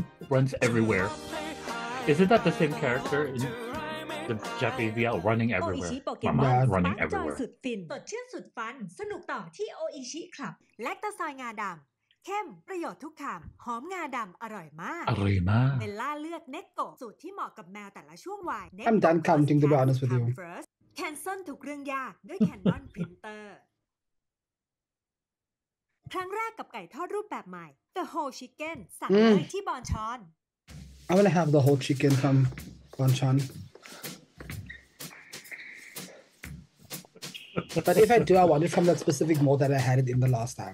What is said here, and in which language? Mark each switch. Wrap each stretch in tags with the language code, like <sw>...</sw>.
<en>Runs everywhere. Isn't that the same character in the Japanese VL running everywhere. Mama running everywhere.</en> <th>สุดฟินสดชื่นสุดฟันสนุกต่อที่ Oishi Club. แลคตาซอยงาดำเข้มประโยชน์ทุกคำหอมงาดำอร่อยมากอร่อยมากเบลล่าเลือกเนกโกสูตรที่เหมาะกับแมวแต่ละช่วงวัย</th> <en>I'm done counting to be honest with you</en> <th>Cancel ทุกเรื่องยากด้วย Canon Printer ครั้งแรกกับไก่ทอดรูปแบบใหม่ The Whole Chicken สั่งเลยที่บอนชอน</th> <en>I wanna have the whole chicken from Bon Chon But if I do, I want it from that specific mall that I had it in the last time.</en>